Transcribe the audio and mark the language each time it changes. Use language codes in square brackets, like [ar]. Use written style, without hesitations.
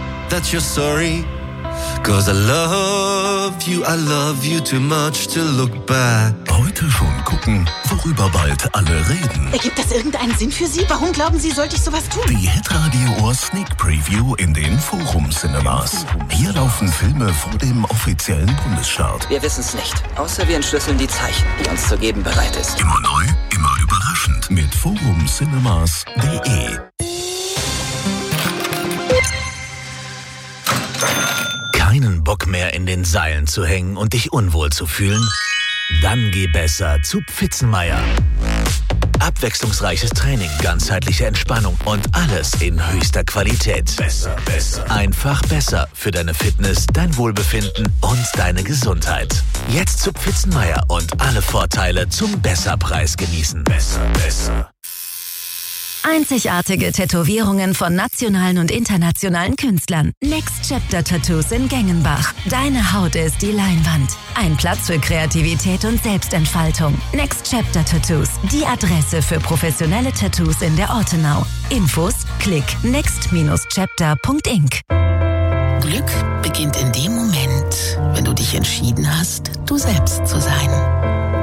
[en] That you're sorry, cause I love you too much to look back. [de] Heute schon gucken, worüber bald alle reden. Ergibt das irgendeinen Sinn für Sie? Warum glauben Sie, sollte ich sowas tun? Die Hitradio Sneak Preview in den Forum Cinemas. Hier laufen Filme vor dem offiziellen Bundesstart. Wir wissen es nicht, außer wir entschlüsseln die Zeichen, die uns zu geben bereit ist. Immer neu, immer überraschend. mit forumcinemas.de. Keinen Bock mehr, in den Seilen zu hängen und dich unwohl zu fühlen? Dann geh besser zu Pfitzenmeier. Abwechslungsreiches Training, ganzheitliche Entspannung und alles in höchster Qualität. Besser, besser. Einfach besser für deine Fitness, dein Wohlbefinden und deine Gesundheit. Jetzt zu Pfitzenmeier und alle Vorteile zum Besserpreis genießen. Besser, besser. Einzigartige Tätowierungen von nationalen und internationalen Künstlern. Next Chapter Tattoos in Gengenbach. Deine Haut ist die Leinwand. Ein Platz für Kreativität und Selbstentfaltung. Next Chapter Tattoos. Die Adresse für professionelle Tattoos in der Ortenau. Infos? Klick next-chapter.inc. Glück beginnt in dem Moment, wenn du dich entschieden hast, du selbst zu sein.